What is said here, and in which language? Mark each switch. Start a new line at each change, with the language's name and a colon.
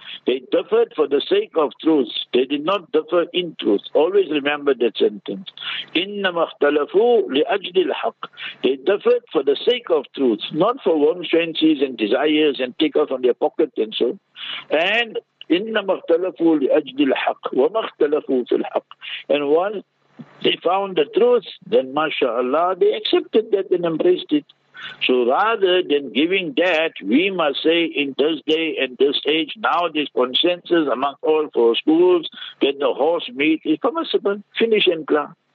English: They differed for the sake of truth. They did not differ in truth. Always remember that sentence.
Arabic: إِنَّمَا اخْتَلَفُوا لِأَجْلِ الْحَقِّ.
English: They differed for the sake of truth, not for warm fancies and desires and take out from their pocket and so. And
Arabic: إنما اختلفوا لأجل الحق وما اختلفوا في الحق.
English: And once they found the truth, then mashallah, they accepted that and embraced it. So rather than giving that, we must say in this day and this age, now this consensus among all four schools that the horse meat is permissible, finish and clear.